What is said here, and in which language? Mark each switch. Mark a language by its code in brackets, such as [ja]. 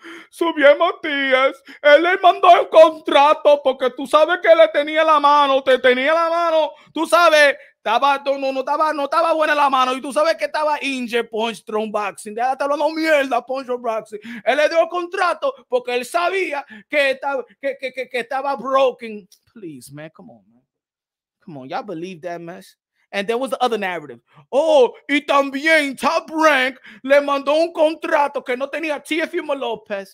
[es] Subriel Matias, él le mandó el contrato porque tú sabes que le tenía la mano, te tenía la mano, tú sabes, no estaba buena la mano y tú sabes que estaba injured, Punch Drunk Boxing, ya está hablando mierda, Punch Drunk Boxing, él le dio el contrato porque él sabía que estaba broken. [en] Please, man, come on, y'all believe that mess? And there was the other narrative. [es] Oh, y también Top Rank le mandó un contrato que no tenía Teofimo Lopez.